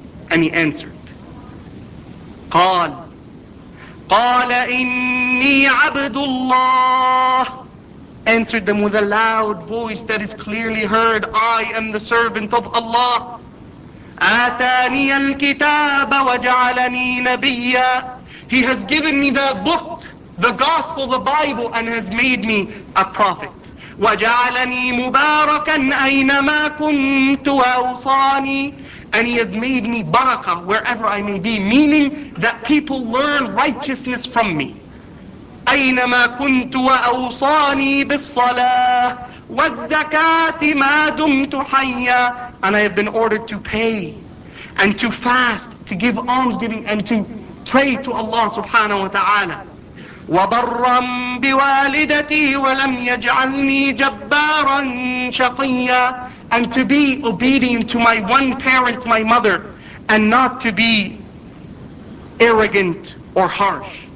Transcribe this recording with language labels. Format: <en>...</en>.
<en>And he answered,</en> <ar>قَالَ إِنِّي عَبْدُ اللَّهِ,</ar> <en>answered them with a loud voice that is clearly heard, I am the servant of Allah.</en> <ar>آتاني الكتاب وجعلني نبيا,</ar> <en>he has given me the book, the gospel, the Bible, and has made me a prophet.</en> <ar>وجعلني مباركا أينما كنت وأوصاني,</ar> <en>and he has made me barakah wherever I may be, meaning that people learn righteousness from me.</en> <ar>أينما كنت وأوصاني بالصلاة والزكاة ما دمت حيا.</ar> <en>And I have been ordered to pay and to fast, to give almsgiving and to pray to Allah subhanahu wa ta'ala.</en> <ar>وَبَرًّا بِوَالِدَتِي وَلَمْ يَجْعَلْنِي جَبَّارًا شَقِيًّا.</ar> <en>And to be obedient to my one parent, my mother, and not to be arrogant or harsh.</en>